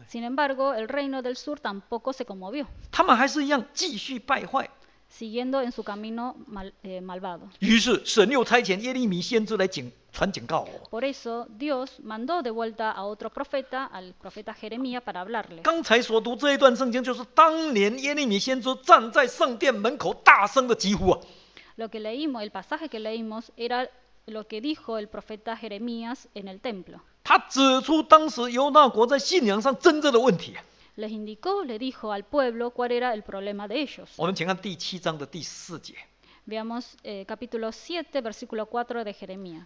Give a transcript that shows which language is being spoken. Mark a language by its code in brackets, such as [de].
[es] Sin embargo, el reino del sur tampoco se conmovió. [zh] 他们还是一样继续败坏. [es] Siguiendo en su camino malvado. [zh] 于是神又差遣耶利米先知来传警告. [es] Por eso Dios mandó de vuelta a otro profeta, al profeta Jeremías, para hablarle. [zh] 刚才所读这一段圣经，就是当年耶利米先知站在圣殿门口大声的疾呼啊. [es] Lo que leímos, el pasaje que leímos, era lo que dijo el profeta Jeremías en el templo. [zh] 他指出当时犹大国在信仰上真正的问题. [es] Les indicó, le dijo al pueblo cuál era el problema de ellos. [zh] 我们请看第七章的第四节. [es] Veamos capítulo 7, versículo 4 de Jeremías.